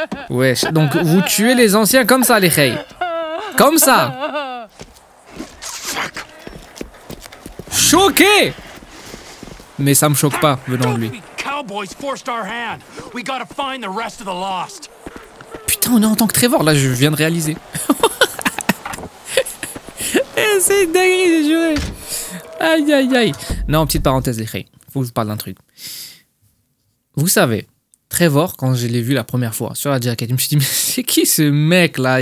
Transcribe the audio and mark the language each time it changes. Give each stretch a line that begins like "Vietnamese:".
French: Wesh, donc vous tuez les anciens comme ça, les Rey. comme ça.
English: Fuck.
French: Choqué. Mais ça me choque pas venant de lui.
English: Cowboys forced our hand. We gotta find the rest of the lost.
French: Putain, on est en tant que Trevor là, je viens de réaliser. C'est dingue, j'ai juré. Aïe, aïe, aïe. Non, petite parenthèse, les frères. Faut que je vous parle d'un truc. Vous savez, Trevor, quand je l'ai vu la première fois sur la jacket, je me suis dit, mais c'est qui ce mec là?